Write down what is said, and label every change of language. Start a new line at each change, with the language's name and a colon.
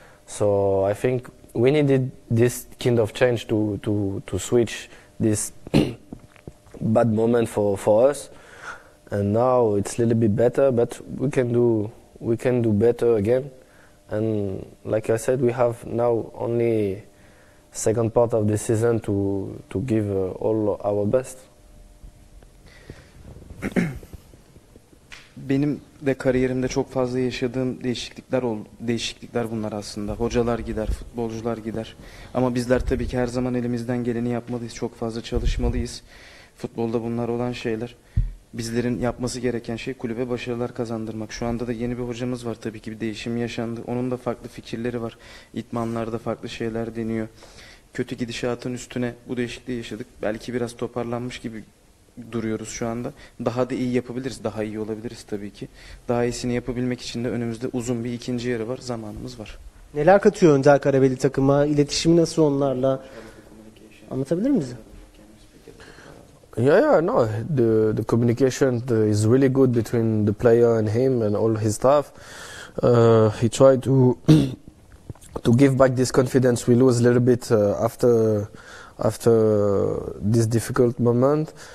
English: So I think we needed this kind of change to switch this bad moment for us. And now it's a little bit better, but we can do better again. And like I said, we have now only second part of the season to give all our best.
Turkish: Benim de kariyerimde çok fazla yaşadığım değişiklikler bunlar aslında. Hocalar gider, futbolcular gider. Ama bizler tabii ki her zaman elimizden geleni yapmalıyız, çok fazla çalışmalıyız. Futbolda bunlar olan şeyler. Bizlerin yapması gereken şey kulübe başarılar kazandırmak. Şu anda da yeni bir hocamız var, tabii ki bir değişim yaşandı. Onun da farklı fikirleri var. İdmanlarda farklı şeyler deniyor. Kötü gidişatın üstüne bu değişikliği yaşadık. Belki biraz toparlanmış gibi duruyoruz şu anda. Daha da iyi yapabiliriz, daha iyi olabiliriz tabii ki. Daha iyisini yapabilmek için de önümüzde uzun bir ikinci yarı var, zamanımız var. Neler katıyor Önder Karabeli takıma? İletişimi nasıl onlarla? Anlatabilir miyiz?
English: Yeah, no. The communication is really good between the player and him and all his staff. He tried to to give back this confidence we lose a little bit after this difficult moment.